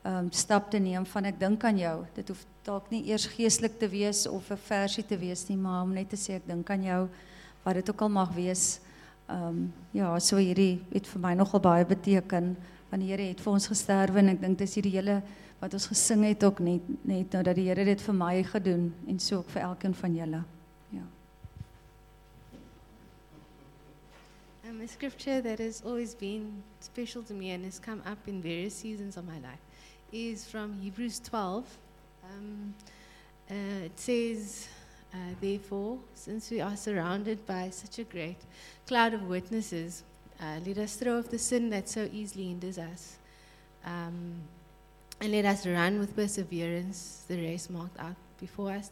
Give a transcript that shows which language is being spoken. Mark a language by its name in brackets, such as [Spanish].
[Afrikaans] stap te neem van ek dink aan jou. Dit hoef dalk nie eers geestelik te wees of 'n versie te wees nie, maar om net te sê ek dink aan jou, wat dit ook al mag wees. Ja, so hierdie het vir my nogal baie beteken, want die Here het vir ons gesterf en ek dink dis hierdie hele wat ons gesing het ook net nou dat die Here dit vir my gedoen en so ook vir elkeen van julle. [English] A scripture that has always been special to me and has come up in various seasons of my life is from Hebrews 12. It says, therefore, since we are surrounded by such a great cloud of witnesses, let us throw off the sin that so easily hinders us, and let us run with perseverance the race marked out before us.